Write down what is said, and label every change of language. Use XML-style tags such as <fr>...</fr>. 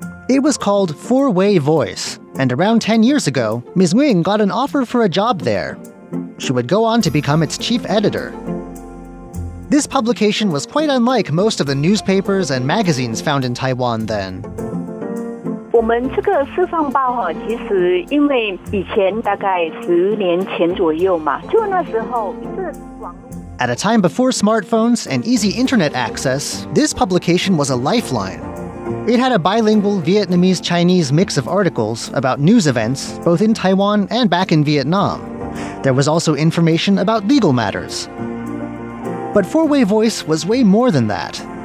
<en>It was called Four-Way Voice, and around 10 years ago, Ms. Nguyen got an offer for a job there. She would go on to become its chief editor. This publication was quite unlike most of the newspapers and magazines found in Taiwan then.</en> <zh>我们这个释放报哈，其实因为以前大概十年前左右嘛，就那时候是网。</zh> <en>At a time before smartphones and easy internet access, this publication was a lifeline. It had a bilingual Vietnamese-Chinese mix of articles about news events, both in Taiwan and back in Vietnam. There was also information about legal matters. But Four-Way Voice was way more than that.</en>